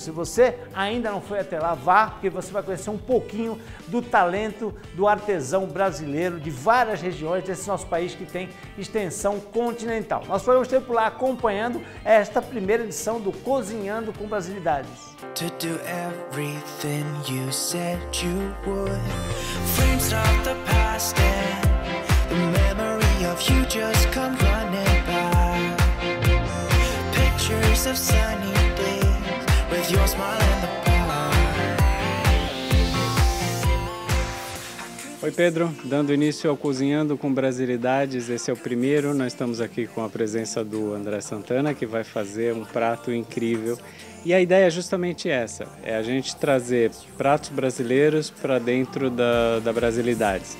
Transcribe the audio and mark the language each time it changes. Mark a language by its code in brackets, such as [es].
[pt] Se você ainda não foi até lá, vá, porque você vai conhecer um pouquinho do talento do artesão brasileiro de várias regiões desse nosso país que tem extensão continental. Nós fomos ter por lá acompanhando esta primeira edição do Cozinhando com Brasilidades. [en] To do everything you said you would. Flames of the past and the memory of you just come running by. Pictures of sunny days with your smile in the [pt] Oi Pedro, dando início ao Cozinhando com Brasilidades, esse é o primeiro. Nós estamos aqui com a presença do André Santana, que vai fazer um prato incrível. E a ideia é justamente essa, é a gente trazer pratos brasileiros para dentro da Brasilidades.